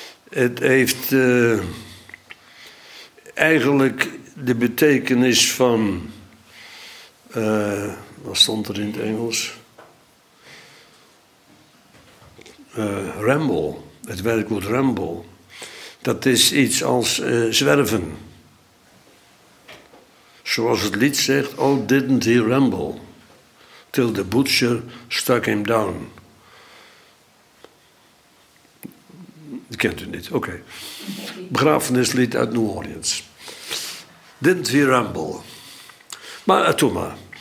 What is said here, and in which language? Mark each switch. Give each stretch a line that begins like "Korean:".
Dutch: Het heeft eigenlijk de betekenis van, wat stond er in het Engels? Ramble, het werkwoord ramble. Dat is iets als zwerven. Zoals het lied zegt,
English: oh didn't he ramble. Till the butcher stuck him down.
Dutch: Dat kent u niet, oké. Begrafenislied uit New Orleans.
English: Didn't he ramble.
Dutch: Maar, toe maar.